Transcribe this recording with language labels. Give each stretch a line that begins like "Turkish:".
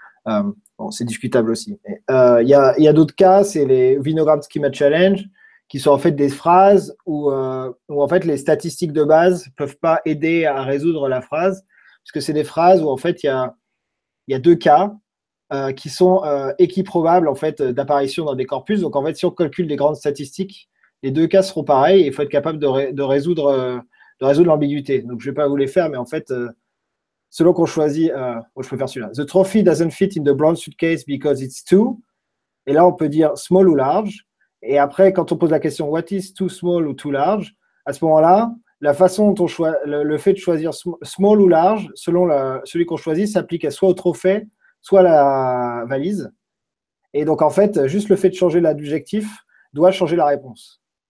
French: Bon, c'est discutable aussi. Il y a d'autres cas, c'est les Vinogram Schema Challenge, qui sont en fait des phrases où en fait les statistiques de base ne peuvent pas aider à résoudre la phrase, parce que c'est des phrases où en fait il y a deux cas qui sont équiprobables en fait d'apparition dans des corpus. Donc, en fait, si on calcule des grandes statistiques, les deux cas seront pareils et il faut être capable de résoudre l'ambiguïté. Donc, je ne vais pas vous les faire, mais en fait, selon qu'on choisit... Bon, je peux faire celui-là.
English: The trophy doesn't fit in the brown suitcase because it's too.
French: Et là, on peut dire small ou large. Et après, quand on pose la question
English: what is too small
French: ou
English: too large,
French: à ce moment-là, la façon dont on le fait de choisir small ou large, selon celui qu'on choisit, s'applique soit au trophée, soit à la valise. Et donc, en fait, juste le fait de changer l'adjectif doit changer la réponse.